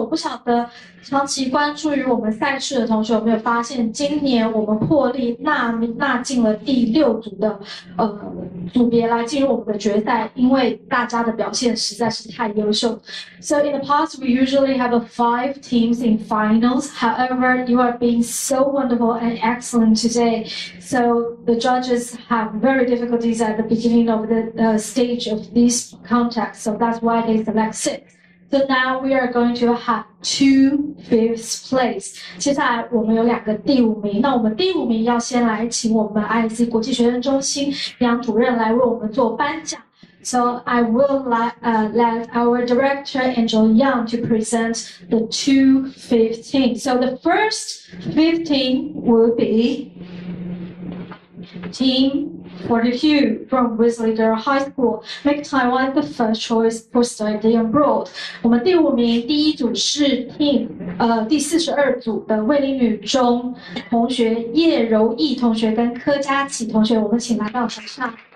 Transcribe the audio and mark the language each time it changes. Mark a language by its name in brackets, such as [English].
[Chinese] 我不晓得长期关注于我们赛事的同学有没有发现，今年我们破例纳进了第六组的组别来进入我们的决赛，因为大家的表现实在是太优秀。 [English] So in the past, we usually have five teams in finals. However, you are being so wonderful and excellent today. So the judges have very difficulties at the beginning of the stage of this contest. So that's why they select six. So now we are going to have two fifth place. [Chinese] 接下来我们有两个第五名，那我们第五名要先来请我们 IC 国际学生中心杨主任来为我们做颁奖。 [English] So I will let our director, Angel Young, to present the 2:15. So the first 15 will be Team 42 from Wesley Girl High School, make Taiwan the first choice for studying abroad. [Chinese] 我们第五名第一组是 Team 第42组的卫理女中同学叶柔毅同学跟柯佳琪同学，我们请来到台上。